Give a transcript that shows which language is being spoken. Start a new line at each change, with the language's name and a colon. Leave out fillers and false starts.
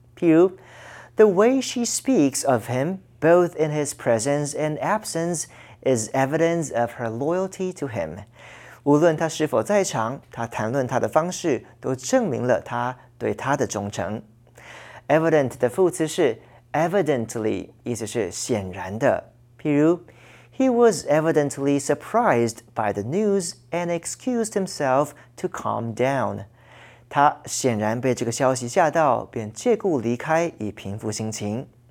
Chinese: 譬如
English: The way she speaks of him, both in his presence and absence, is evidence of her loyalty to him.
Chinese: 无论他是否在场，他谈论他的方式都证明了他对他的忠诚。 Evident 的副词是 evidently， 意思是显然的。譬如
English: ，He was evidently surprised by the news and excused himself to calm down。
Chinese: 他显然被这个消息吓到，便借故离开以平复心情。